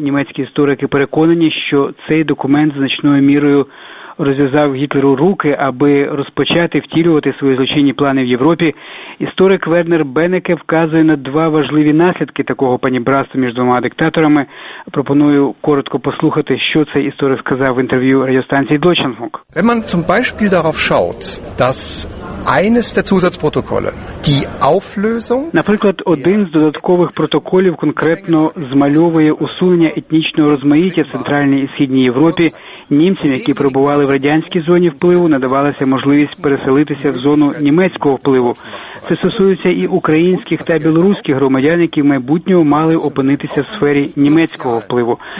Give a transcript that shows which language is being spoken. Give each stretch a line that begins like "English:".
Ukrainian: Німецькі історики переконані, що цей документ значною мірою розв'язав Гітлеру руки, аби розпочати втілювати свої злочинні плани в Європі. Історик Вернер Бенеке вказує на два важливі наслідки такого панібратства між двома диктаторами. Пропоную коротко послухати, що цей історик сказав в інтерв'ю радіостанції Deutschlandfunk.
German: Wenn man zum Beispiel darauf schaut, dass eines der Zusatzprotokolle, die Auflösung,
Ukrainian: наприклад, один з додаткових протоколів конкретно змальовує усунення етнічного розмаїття в Центральній і Східній Європі. Німцям, які перебували в радянській зоні впливу, надавалася можливість переселитися в зону німецького впливу. Це стосується і українських та білоруських громадян, які в майбутньому мали опинитися в сфері німецького впливу.